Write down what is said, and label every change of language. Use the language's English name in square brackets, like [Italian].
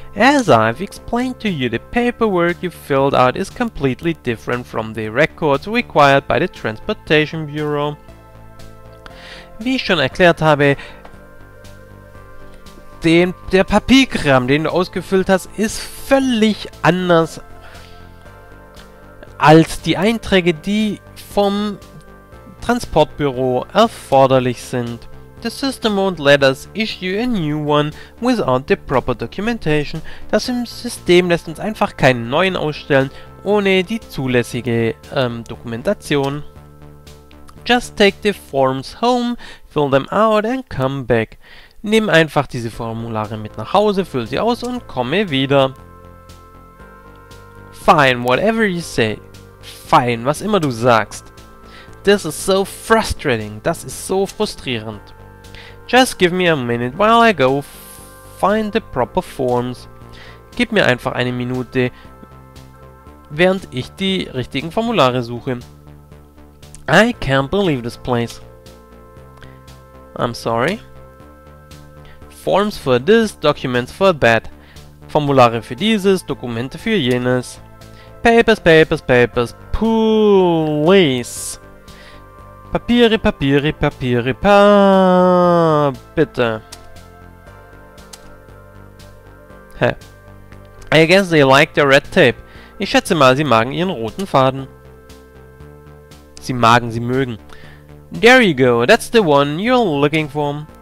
[English] As I've explained to you, the paperwork you filled out is completely different from the records required by the Transportation Bureau. [German] Wie ich schon erklärt habe, der Papierkram, den du ausgefüllt hast, ist völlig anders als die Einträge, die vom Transportbüro erforderlich sind. [English] The system won't let us issue a new one without the proper documentation. [German] Das System lässt uns einfach keinen neuen ausstellen ohne die zulässige Dokumentation. [English] Just take the forms home, fill them out and come back. [German] Nimm einfach diese Formulare mit nach Hause, füll sie aus und komme wieder. [English] Fine, whatever you say. [German] Fine, was immer du sagst. [English] This is so frustrating. [German] Das ist so frustrierend. [English] Just give me a minute while I go find the proper forms. [German] Gib mir einfach eine Minute, während ich die richtigen Formulare suche. [English] I can't believe this place. I'm sorry. Forms for this, documents for that. [German] Formulare für dieses, Dokumente für jenes. [English] Papers, papers, papers, please. [German] Papiere, Papiere, Papiere, bitte. [English] Hä? I guess they like their red tape. [German] Ich schätze mal, sie magen ihren roten Faden. Sie magen, sie mögen. [English] There you go, that's the one you're looking for.